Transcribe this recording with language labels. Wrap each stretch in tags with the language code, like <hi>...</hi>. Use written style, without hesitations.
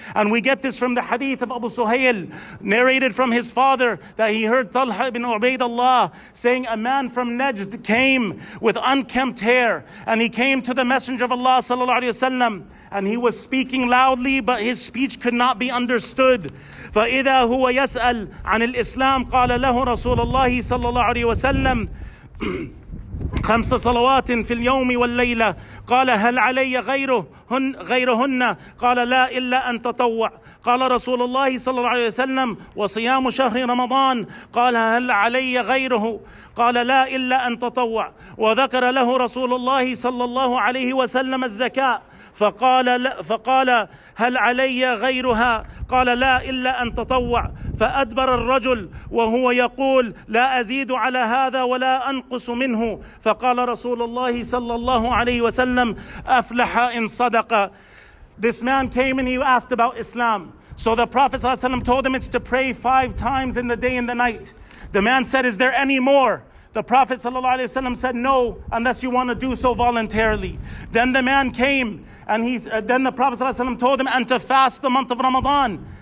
<en>And we get this from the hadith of Abu Suhail, narrated from his father, that he heard Talha ibn Ubaidullah saying, a man from Najd came with unkempt hair, and he came to the Messenger of Allah sallallahu alaihi wasallam, and he was speaking loudly, but his speech could not be understood.</en> <ar>فَإِذَا هُوَ يَسْأَلْ عَنِ الْإِسْلَامِ قَالَ لَهُ رَسُولَ اللَّهِ صَلَّى اللَّهُ عَلَيْهِ وَسَلَّمُ خمس صلوات في اليوم والليلة قال هل علي غيرهن قال لا إلا أن تطوع قال رسول الله صلى الله عليه وسلم وصيام شهر رمضان قال هل علي غيره قال لا إلا أن تطوع وذكر له رسول الله صلى الله عليه وسلم الزكاة فقال هل علي غيرها قال لا إلا أن تطوع فأدبر الرجل وهو يقول لا أزيد على هذا ولا أنقص منه فقال رسول الله صلى الله عليه وسلم أفلح إن صدق.</ar> <en>This man came and he asked about Islam. So the Prophet</en> <ar>صلى الله عليه وسلم</ar> <en>told him it's to pray five times in the day and the night. The man said, is there any more? The Prophet</en> <ar>صلى الله عليه وسلم</ar> <en>said, no, unless you want to do so voluntarily. Then the man came and then the Prophet</en> <ar>صلى الله عليه وسلم</ar> <en>told him, and to fast the month of Ramadan.</en>